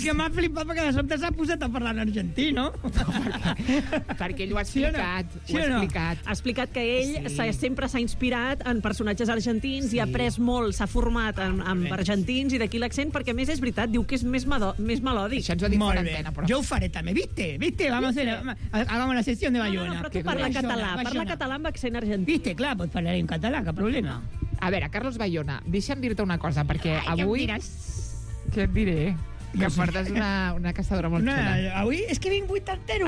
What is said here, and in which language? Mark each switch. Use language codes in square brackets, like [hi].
[ca] És que m'ha flipat perquè de sobte s'ha posat a parlar en argentí, no? Perquè ell ho ha explicat. Ha explicat que ell sempre s'ha inspirat en personatges argentins i ha après molt, s'ha format amb argentins i d'aquí l'accent, perquè a més és veritat, diu que és més melòdic. Això ens ho ha dit per antena, però... Jo ho faré també, [es] viste, vamos a hacer la sesión de Bayona. [ca] No, però tu parla català amb accent argentí. Viste, clar, pues parlaré en català, que problema. A veure, Carlos Bayona, deixa'm dir-te una cosa, perquè avui... Ai, ja em diràs. Què et diré? Que portes una caçadora molt xula. Avui és que vinc buit entero.